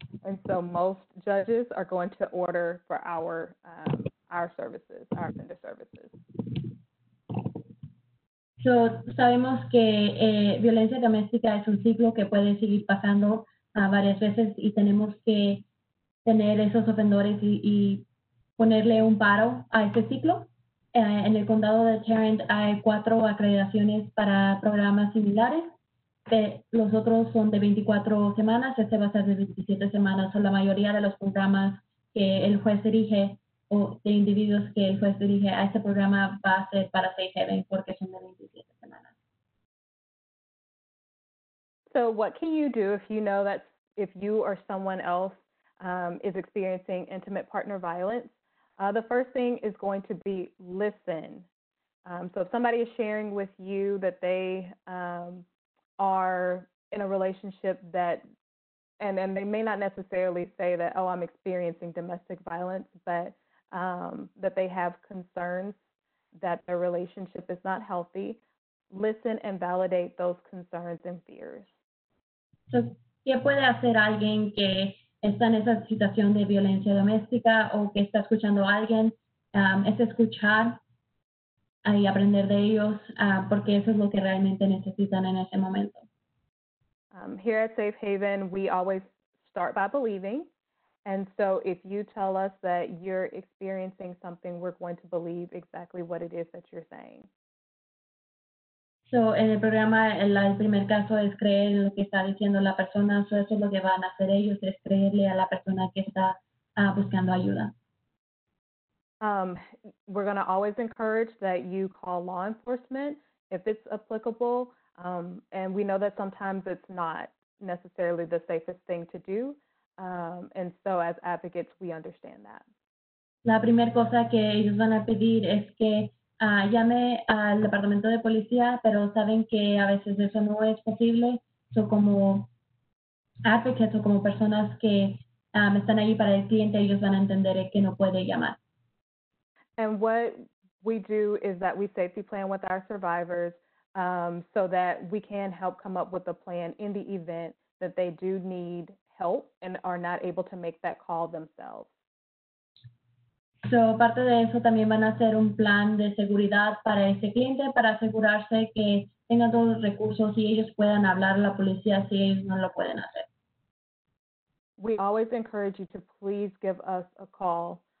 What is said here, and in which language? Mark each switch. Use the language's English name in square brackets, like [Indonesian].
[English] And so most judges are going to order for our offender services. [Spanish] So sabemos que violencia doméstica es un ciclo que puede seguir pasando varias veces, y tenemos que tener esos ofendores y ponerle un paro a este ciclo. En el condado de Tarrant hay 4 acreditaciones para programas similares. Los otros son de 24 semanas, este va a ser de 27 semanas. Son la mayoría de los programas que el juez dirige, o de individuos que el juez dirige a este programa, va a ser para Safe Haven porque son de 27 semanas. [English] So what can you do if you know that if you or someone else is experiencing intimate partner violence? The first thing is going to be listen. So if somebody is sharing with you that they are in a relationship that, and they may not necessarily say that, oh, I'm experiencing domestic violence, but that they have concerns that their relationship is not healthy, listen and validate those concerns and fears. [Spanish] So, ¿qué puede hacer alguien que está en esa situación de violencia doméstica o que está escuchando a alguien? Es escuchar y aprender de ellos, porque eso es lo que realmente necesitan en ese momento. [English] Here at Safe Haven, we always start by believing. And so if you tell us that you're experiencing something, we're going to believe exactly what it is that you're saying. [Spanish] So en el programa, el primer caso es creer lo que está diciendo la persona. So eso es lo que van a hacer ellos, es creerle a la persona que está buscando ayuda. [English] We're going to always encourage that you call law enforcement if it's applicable. And we know that sometimes it's not necessarily the safest thing to do. And so as advocates, we understand that. [Spanish] La primera cosa que ellos van a pedir es que llame al departamento de policía, pero saben que a veces eso no es posible. So, como advocates o como personas que están ahí para el cliente, ellos van a entender que no puede llamar. [English] And what we do is that we safety plan with our survivors so that we can help come up with a plan in the event that they do need help and are not able to make that call themselves. [Spanish] So, parte de eso también van a hacer un plan de seguridad para ese cliente para asegurarse que tengan todos los recursos y ellos puedan hablar a la policía si ellos no lo pueden hacer. [English] We always encourage you to please give us a call.